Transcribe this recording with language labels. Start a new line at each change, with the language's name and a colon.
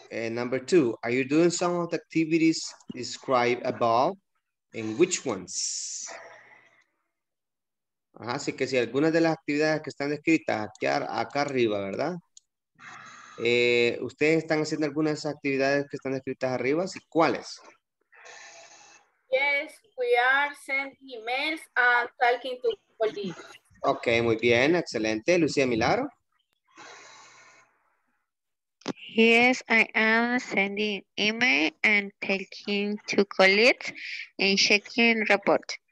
English: number two, are you doing some of the activities described above? And which ones?
Spanish: Ajá, así que si algunas de las actividades que están descritas aquí acá arriba, ¿verdad? ¿Ustedes están haciendo algunas de esas actividades que están descritas arriba? ¿Sí, cuáles?
English: Yes, we are sending emails and talking to colleagues.
Spanish: Okay, muy bien, excelente. Lucía Milagro.
English: Yes, I am sending email and talking to colleagues and checking report.